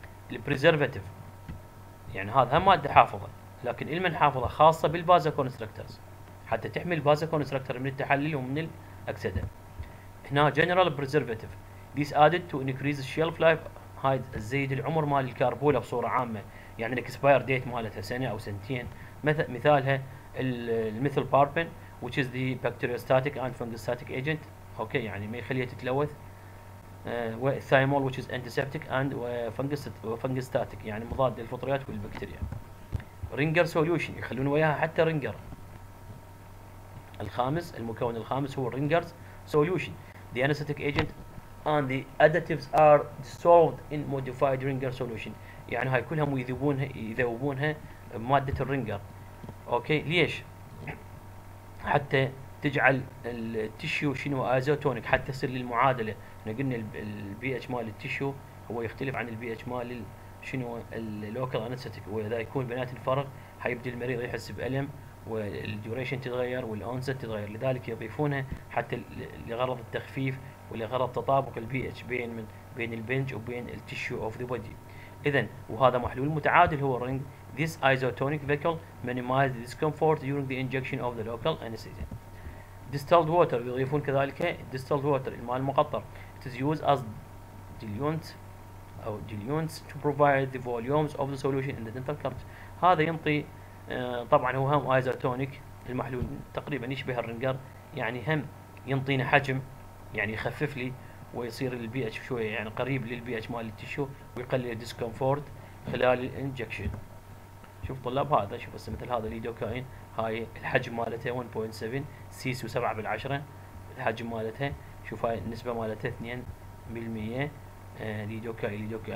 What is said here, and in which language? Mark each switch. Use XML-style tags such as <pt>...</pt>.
<ar>البريزرفاتيف يعني هذا هم ماده حافظه لكن المن حافظه خاصه بالبازوكونستركترز حتى تحمي البازوكونستركتر من التحلل ومن الاكسده. هنا</ar> <en>general preservative this add to increase الشيلف life,</en> <ar>هاي تزيد العمر مال الكربوله بصوره عامه، يعني الاكسباير ديت مالتها سنه او سنتين. مثالها الميثيل باربين</ar> <en>which is the bacteriostatic and fungistatic agent okay</en> <ar>يعني ما يخليها تتلوث. والثايمول</ar> <en>which is antiseptic and fungistatic</en> <ar>يعني مضاد للفطريات والبكتيريا. رينجر سوليوشن يخلون وياها حتى رينجر. الخامس المكون الخامس هو رينجر سوليوشن</ar> <en>the anesthetic agent and the additives are dissolved in modified</en> <ar>رينجر سوليوشن، يعني هاي كلهم يذوبونها بمادة الرينجر اوكي. ليش؟ حتى تجعل التيشو شنو ايزوتونيك حتى تصير للمعادله. احنا قلنا البي اتش مال التيشو هو يختلف عن البي اتش مال شنو اللوكال انستيك، واذا يكون بنات الفرق حيبدا المريض يحس بالم والديوريشن تتغير والاونست تتغير، لذلك يضيفونها حتى لغرض التخفيف ولغرض تطابق البي اتش بين من بين البنج وبين التيشو اوف ذا بودي. اذا وهذا محلول متعادل هو الرينج.</ar> <en>This isotonic vehicle minimizes discomfort during the injection of the local anesthesia.</en> <ar>Distilled water يضيفون كذلك distilled water الماء المقطر.</ar> <en>It is used as diluent أو diluents to provide the volumes of the solution in the dental cavity.</en> <ar>هذا ينطي طبعا هو هم isotonic المحلول تقريبا يشبه الرنجر، يعني هم ينطينا حجم يعني يخفف لي ويصير البي اتش شوية يعني قريب للبي اتش مال التشو ويقلل الديسكمفورت خلال الانجكشن. شوف طلاب هذا شوف هسه مثل هذا الليدوكاين هاي الحجم مالتها 1.7 سي سي 7 بالعشره الحجم مالتها، شوف هاي النسبه مالتها 2% ليدوكاين.</ar>